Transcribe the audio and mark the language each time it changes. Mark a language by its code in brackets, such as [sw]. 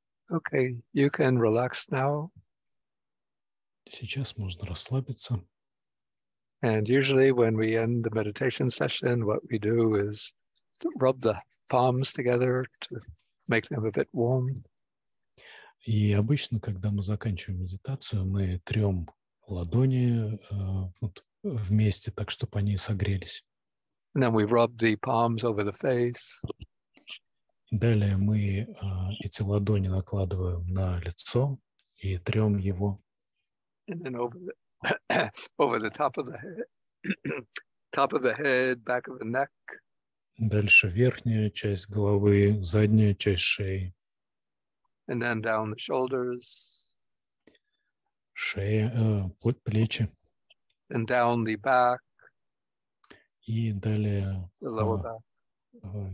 [en] Okay, you can relax now. [ru] Сейчас можно расслабиться. [en] And usually when we end the meditation session, what we do is rub the palms together to make them a bit warm. [ru] И обычно, когда мы заканчиваем медитацию, мы трем ладони вот, вместе, так чтобы они согрелись. [en] And then we rub the palms over the face. [ru] Далее мы эти ладони накладываем на лицо и трем его. [en] And then over the top of the head, top of the head, back of the neck. [ru] Дальше верхняя часть головы, задняя часть шеи. [en] And then down the shoulders. [ru] Шея, плечи. [en] And down the back. [ru] И далее [en] the lower back.